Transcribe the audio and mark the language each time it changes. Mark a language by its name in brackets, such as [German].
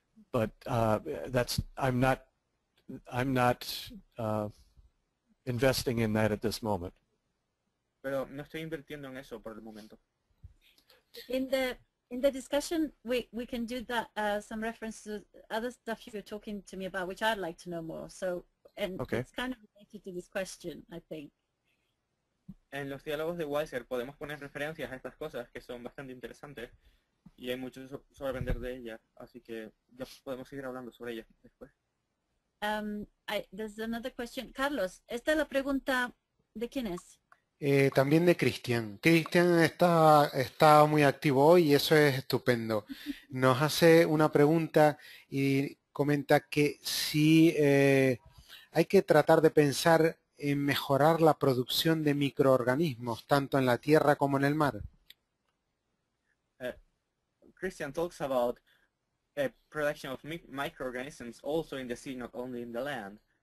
[English] But I'm not investing in that at this moment. [Spanish] Pero no estoy invirtiendo en eso por el momento. [English] In the discussion, we can do that some reference to other stuff you were talking to me about, which I'd like to know more. So, and okay. It's kind of related to this question, I think. [Spanish] En los diálogos de Weiser podemos poner referencias a estas cosas que son bastante interesantes. Y hay mucho sobre aprender de ella, así que ya podemos seguir hablando sobre ella después. [English] There's another question. [Spanish] Carlos, esta es la pregunta, ¿de quién es? También de Cristian. Cristian está muy activo hoy y eso es estupendo. Nos hace una pregunta y comenta que si hay que tratar de pensar en mejorar la producción de microorganismos, tanto en la tierra como en el mar. [English] Christian talks about a production of microorganisms also in the sea, not only in the land.